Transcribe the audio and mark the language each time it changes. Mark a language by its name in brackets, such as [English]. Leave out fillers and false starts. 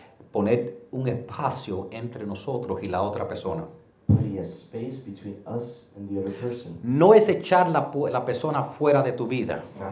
[Spanish] Poner un espacio entre nosotros y la otra persona. [English] A space between us and the other person. [Spanish] No es echar la persona fuera de tu vida.